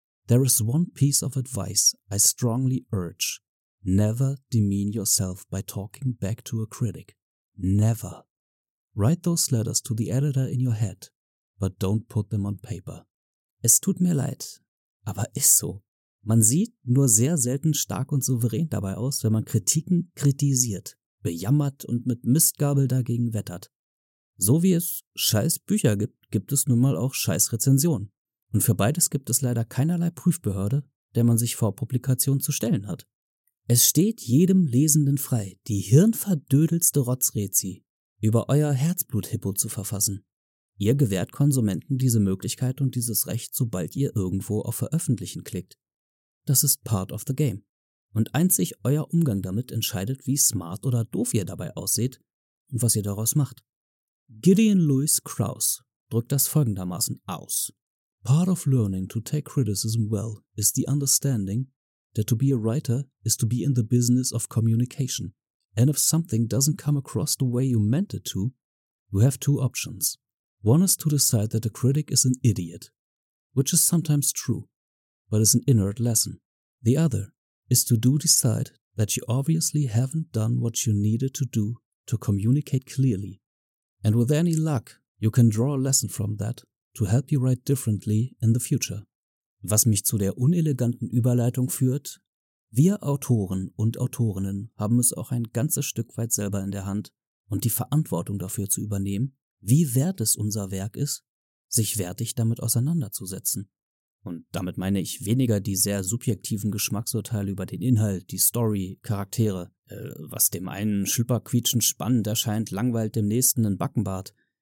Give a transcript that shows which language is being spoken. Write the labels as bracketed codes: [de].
[en] There is one piece of advice I strongly urge. Never demean yourself by talking back to a critic. Never. Write those letters to the editor in your head, but don't put them on paper. [de] Es tut mir leid, aber ist so. Man sieht nur sehr selten stark und souverän dabei aus, wenn man Kritiken kritisiert, bejammert und mit Mistgabel dagegen wettert. So wie es scheiß Bücher gibt, gibt es nun mal auch scheiß Rezensionen. Und für beides gibt es leider keinerlei Prüfbehörde, der man sich vor Publikation zu stellen hat. Es steht jedem Lesenden frei, die hirnverdödelste Rotzrezi über euer Herzblut-Hippo zu verfassen. Ihr gewährt Konsumenten diese Möglichkeit und dieses Recht, sobald ihr irgendwo auf Veröffentlichen klickt. Das ist [en] part of the game. [de] Und einzig euer Umgang damit entscheidet, wie smart oder doof ihr dabei aussieht und was ihr daraus macht. Gideon Lewis Krauss drückt das folgendermaßen aus. [en] Part of learning to take criticism well is the understanding that to be a writer is to be in the business of communication. And if something doesn't come across the way you meant it to, you have two options. One is to decide that the critic is an idiot, which is sometimes true, but is an inert lesson. The other is to decide that you obviously haven't done what you needed to do to communicate clearly. And with any luck, you can draw a lesson from that to help you write differently in the future. [de] Was mich zu der uneleganten Überleitung führt, wir Autoren und Autorinnen haben es auch ein ganzes Stück weit selber in der Hand und die Verantwortung dafür zu übernehmen, wie wert es unser Werk ist, sich wertig damit auseinanderzusetzen. Und damit meine ich weniger die sehr subjektiven Geschmacksurteile über den Inhalt, die Story, Charaktere, was dem einen schlüpperquietschend spannend erscheint, langweilt dem nächsten einen Backenbart.